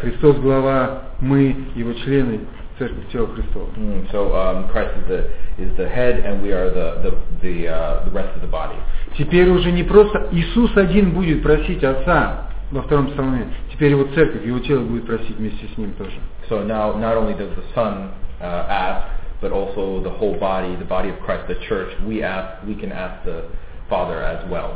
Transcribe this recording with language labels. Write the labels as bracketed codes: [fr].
[ru] Христос глава, мы его члены. Церковь тело Христово. [en] So Christ is the head and we are the rest of the body. [ru] Теперь уже не просто Иисус один будет просить Отца во втором псалме. Теперь его церковь, его тело будет просить вместе с ним тоже. [en] So now not only does the Son ask, but also the whole body, the body of Christ, the church, we can ask the Father as well.